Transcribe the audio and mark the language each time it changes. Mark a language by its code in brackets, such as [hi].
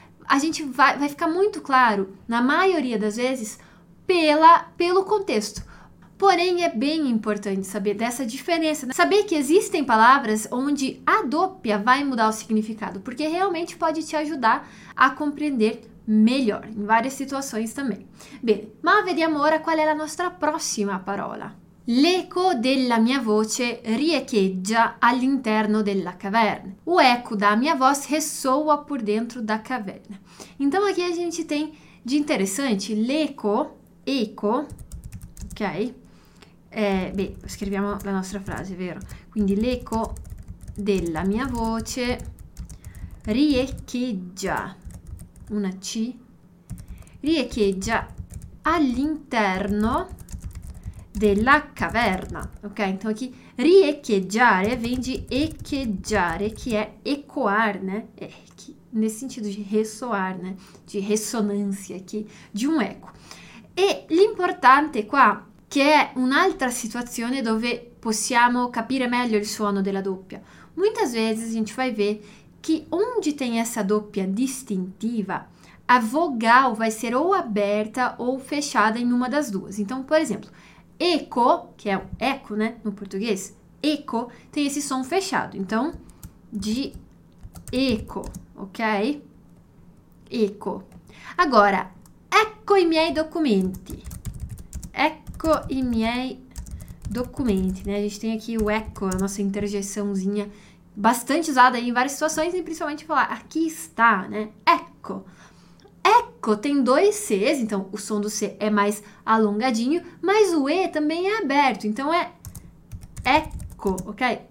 [pt] A gente vai ficar muito claro, na maioria das vezes, pelo contexto. Porém, é bem importante saber dessa diferença, né? Saber que existem palavras onde a doppia vai mudar o significado, porque realmente pode te ajudar a compreender melhor em várias situações também. [it] Bem, ma vediamo ora qual è la nostra prossima parola. L'eco della mia voce riecheggia all'interno della caverna. [pt] O eco da mia voz ressoa por dentro da caverna. Então aqui a gente tem de interessante l'eco, eco, ok? [it] Beh, scriviamo la nostra frase, vero? Quindi l'eco della mia voce riecheggia, una C, riecheggia all'interno della caverna, ok? [pt] Então aqui riecheggiare vem di echeggiare, che è ecoar, né? Nesse sentido di ressoar, né? [it] Di ressonanza, di un eco. E l'importante qua, che è un'altra situazione dove possiamo capire meglio il suono della doppia. [pt] Muitas vezes a gente vai ver che onde tem essa doppia distintiva, a vogal vai ser ou aberta ou fechada em uma das duas. Então, por exemplo, eco, que é o eco, né, no português, eco tem esse som fechado. Então, de Eco, ok? Eco. [it] Agora, ecco i miei documenti. Ecco i miei documenti, [pt] né? A gente tem aqui o ecco, a nossa interjeiçãozinha bastante usada em várias situações, e principalmente falar aqui está, né? Ecco. Ecco tem dois Cs, então o som do C é mais alongadinho, mas o E também é aberto, então é ecco, ok?